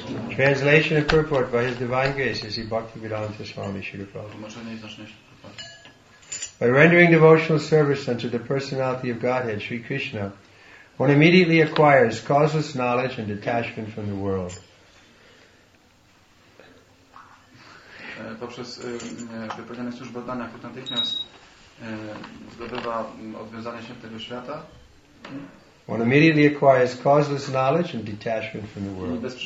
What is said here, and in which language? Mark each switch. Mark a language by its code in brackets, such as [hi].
[en] Translation and purport by His Divine Grace is Bhaktivedanta Swami Śrīla Prabhupāda. By rendering devotional service unto the personality of Godhead, Sri Krishna, one immediately acquires causeless knowledge and detachment from the world. [pl] Poprzez wypełnianie służb oddania, natychmiast zdobywa odwiązanie się tego świata. [en] One immediately acquires causeless knowledge and detachment from the world.